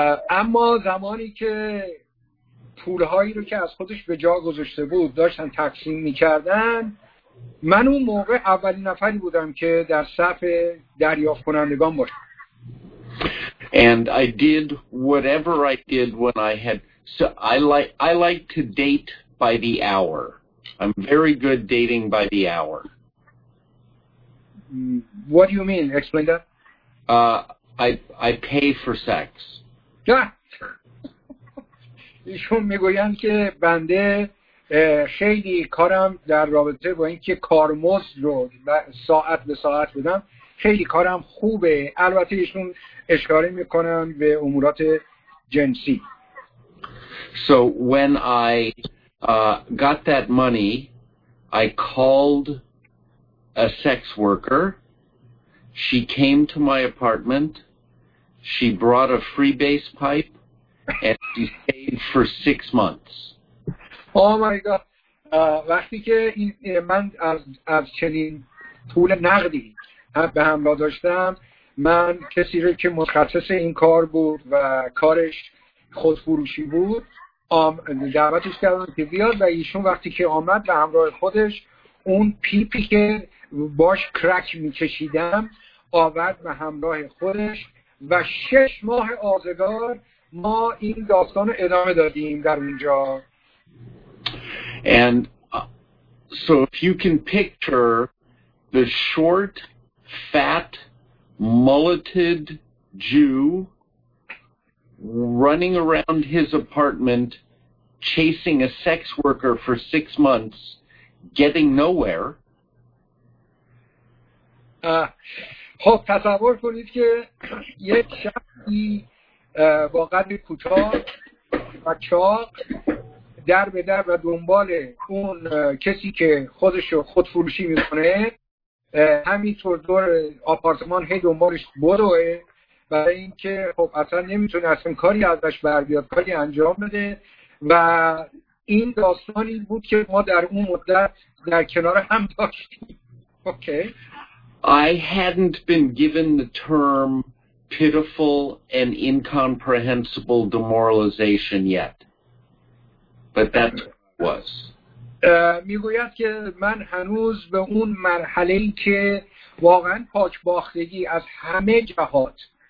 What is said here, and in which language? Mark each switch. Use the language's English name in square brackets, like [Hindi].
[Persian] اما زمانی که پولهایی رو که از خودش به جا گذاشته بود داشتن تقسیم می‌کردن، من اون موقع اولین نفری بودم که در صف دریافت کنندگان باشم. [English] And I did whatever I did when I had so I like to date by the hour. I'm very good dating by the hour. What do you mean? Explain that. I pay for sex. Yeah. [Persian] ایشون میگویند که بنده خیلی کارم در رابطه با اینکه کارمزد رو ساعت به ساعت بدم خیلی کارم خوبه. البته ایشون اشاره میکنن به امورات جنسی. [English] So when I got that money, I called a sex worker. She came to my apartment. She brought a free base pipe and she stayed for 6 months. Oh my God. [Persian] وقتی که من از چنین پول نقدی به همراه داشتم، من کسی رو که متخصص این کار بود و کارش خودفروشی بود دعوتش کردم که بیاد و ایشون وقتی که آمد به همراه خودش اون پیپی که باش کرک میکشیدم آورد به همراه خودش و 6 ماه آزگار ما این داستان ادامه دادیم در اونجا. [English] And so if you can picture the short, fat, mulleted Jew running around his apartment chasing a sex worker for 6 months, getting nowhere. [Persian] خب تصور کنید که یک شخصی با قد کوتاه و چاق در به در و دنبال اون کسی که خودش رو خودفروشی میکنه همینطور دور آپارتمان هی دنبالش بدوه برای اینکه خب اصلا نمیتونه اصلا کاری ازش بر بیاد، کاری انجام بده. و این داستانی بود که ما در اون مدت در کنار هم داشتیم. [English] I hadn't been given the term pitiful and incomprehensible demoralization yet, but that was. [Persian] میگوید که من هنوز به اون مرحله ای که واقعا پاک باختگی از همه جهات